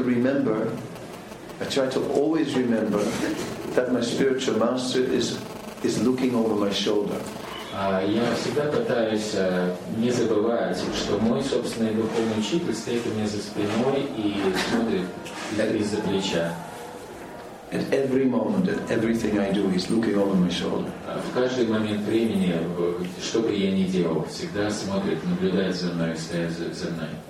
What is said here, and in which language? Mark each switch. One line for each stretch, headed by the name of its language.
English: I try to always remember that my spiritual master is looking over my shoulder.
Russian: Я всегда пытаюсь не забывать, что мой собственный духовный учитель стоит у меня за спиной и смотрит из-за плеча.
English: At every moment, at everything I do, he's looking over my shoulder.
Russian: В каждый момент времени, что бы я ни делал, всегда смотрит, наблюдает за мной, стоит за мной.